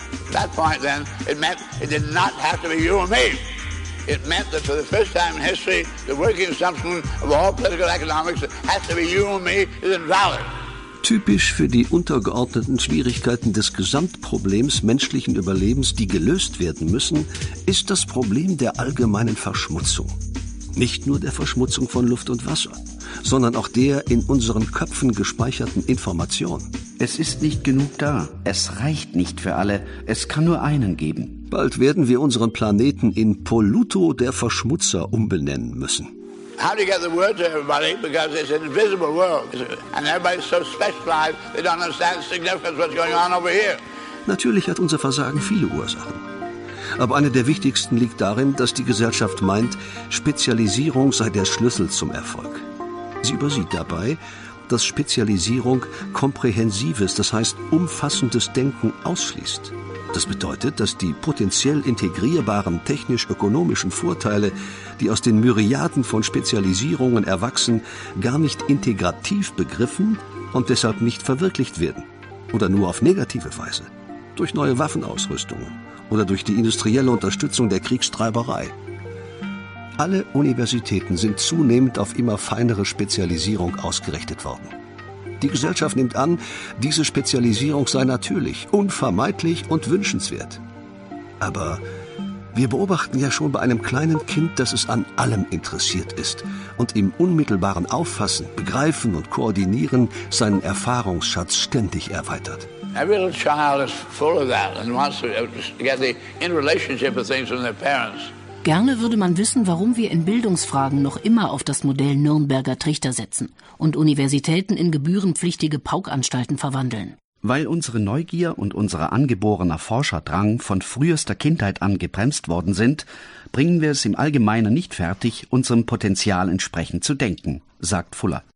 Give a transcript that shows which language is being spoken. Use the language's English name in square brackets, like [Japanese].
[English] At that point then, it meant it did not have to be you or me. It meant that for the first time in history, the working assumption of all political economics has to be you or me is invalid. [German] Typisch für die untergeordneten Schwierigkeiten des Gesamtproblems menschlichen Überlebens, die gelöst werden müssen, ist das Problem der allgemeinen Verschmutzung. Nicht nur der Verschmutzung von Luft und Wasser, sondern auch der in unseren Köpfen gespeicherten Information. Es ist nicht genug da. Es reicht nicht für alle. Es kann nur einen geben. Bald werden wir unseren Planeten in Polluto der Verschmutzer umbenennen müssen. [English] How do you get the word to everybody? Because it's an invisible world. And everybody's so specialized, they don't understand the significance of what's going on over here. [German] Natürlich hat unser Versagen viele Ursachen. Aber eine der wichtigsten liegt darin, dass die Gesellschaft meint, Spezialisierung sei der Schlüssel zum Erfolg. Sie übersieht dabei, dass Spezialisierung komprehensives, das heißt umfassendes Denken ausschließt. Das bedeutet, dass die potenziell integrierbaren technisch-ökonomischen Vorteile, die aus den Myriaden von Spezialisierungen erwachsen, gar nicht integrativ begriffen und deshalb nicht verwirklicht werden. Oder nur auf negative Weise. Durch neue Waffenausrüstungen oder durch die industrielle Unterstützung der Kriegstreiberei. Alle Universitäten sind zunehmend auf immer feinere Spezialisierung ausgerichtet worden. Die Gesellschaft nimmt an, diese Spezialisierung sei natürlich, unvermeidlich und wünschenswert. Aber wir beobachten ja schon bei einem kleinen Kind, dass es an allem interessiert ist und im unmittelbaren Auffassen, Begreifen und Koordinieren seinen Erfahrungsschatz ständig erweitert. [English] Every little child is full of that and wants to get the interrelationship of things from their parents. [German] Gerne würde man wissen, warum wir in Bildungsfragen noch immer auf das Modell Nürnberger Trichter setzen und Universitäten in gebührenpflichtige Paukanstalten verwandeln. Weil unsere Neugier und unser angeborener Forscherdrang von frühester Kindheit an gebremst worden sind, bringen wir es im Allgemeinen nicht fertig, unserem Potenzial entsprechend zu denken, sagt Fuller.